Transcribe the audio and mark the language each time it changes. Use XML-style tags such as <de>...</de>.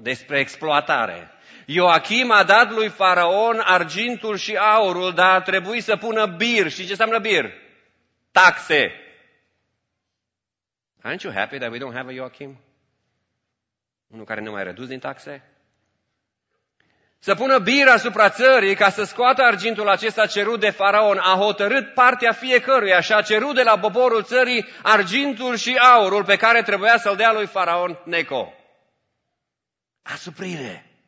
<ro>Despre exploatare. Ioachim a dat lui Faraon argintul și aurul, dar a trebuit să pună bir. Și ce înseamnă bir? Taxe.</ro> <en>Aren't you happy that we don't have a Ioachim?</en> <ro>Unul care nu mai redus din taxe? Să pună bir asupra țării ca să scoată argintul acesta cerut de faraon. A hotărât partea fiecăruia și a cerut de la poporul țării argintul și aurul pe care trebuia să-l dea lui faraon Neco. Asuprire.</ro>